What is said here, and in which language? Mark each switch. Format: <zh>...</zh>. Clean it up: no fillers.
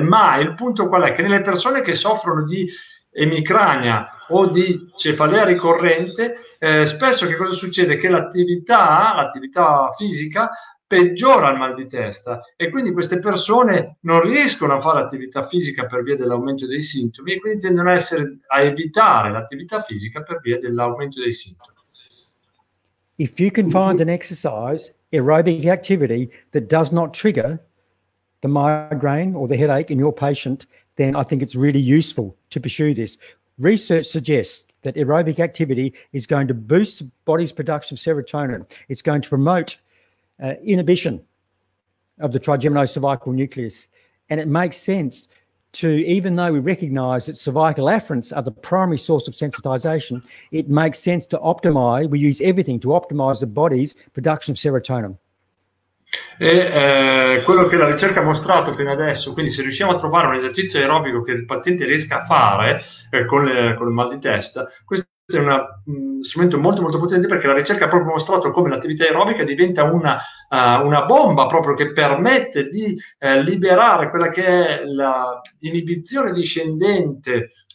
<it>Ma il punto qual è? Che nelle persone che soffrono di emicrania o di cefalea ricorrente, spesso che cosa succede? Che l'attività fisica peggiora il mal di testa e quindi queste persone non riescono a fare attività fisica per via dell'aumento dei sintomi e quindi tendono a evitare l'attività fisica per via dell'aumento dei sintomi.</it> <en>If you can find an exercise, aerobic activity, that does not trigger the migraine or the headache in your patient, then I think it's really useful to pursue this. Research suggests that aerobic activity is going to boost the body's production of serotonin. It's going to promote inhibition of the trigeminocervical nucleus. And it makes sense to, even though we recognize that cervical afferents are the primary source of sensitization, it makes sense to optimize, we use everything to optimize the body's production of serotonin.</en> <it>E quello che la ricerca ha mostrato fino adesso, quindi se riusciamo a trovare un esercizio aerobico che il paziente riesca a fare con il mal di testa, questo è un strumento molto molto potente, perché la ricerca ha proprio mostrato come l'attività aerobica diventa una bomba proprio che permette di liberare quella che è l'inibizione discendente</it>